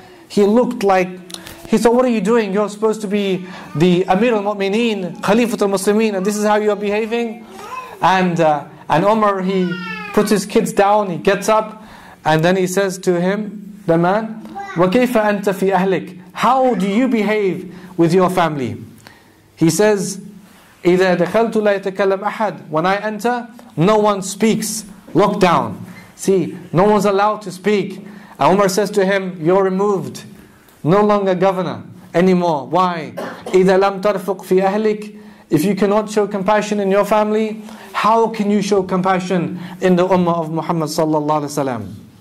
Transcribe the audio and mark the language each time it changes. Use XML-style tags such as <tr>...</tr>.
<en>He looked like, he said, what are you doing? You're supposed to be the Amir al-Mu'mineen, Khalifatul Muslimin, and this is how you're behaving? And Umar, he puts his kids down, he gets up, and then he says to him, the man,</en> <ar>وَكَيْفَ أَنْتَ فِي أَهْلِكَ.</ar> <en>How do you behave with your family? He says,</en> <ar>إِذَا دَخَلْتُ لَا يَتَكَلَّمْ أَحَدٍ.</ar> <en>When I enter, no one speaks. Lockdown. See, no one's allowed to speak. And Umar says to him, you're removed. No longer governor anymore. Why?</en> <ar>إِذَا لَمْ تَرْفُقْ فِي أَهْلِكَ.</ar> <en>If you cannot show compassion in your family, how can you show compassion in the Ummah of Muhammad sallallahu alaihi wasallam?</en>